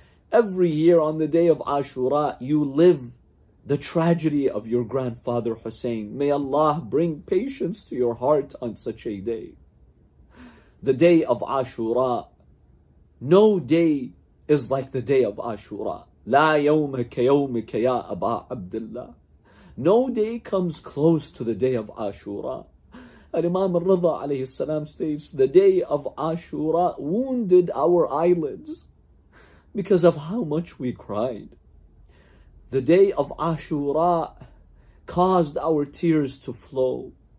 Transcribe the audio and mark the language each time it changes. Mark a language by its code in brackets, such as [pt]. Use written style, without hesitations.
[en] Every year on the day of Ashura, you live the tragedy of your grandfather Hussein. May Allah bring patience to your heart on such a day. The day of Ashura, no day is like the day of Ashura. [ar] لا يوم كيومك يا أبا عبد الله. [en] No day comes close to the day of Ashura. Al-Imam al-Ridha alayhi salam states, the day of Ashura wounded our eyelids because of how much we cried. The day of Ashura caused our tears to flow.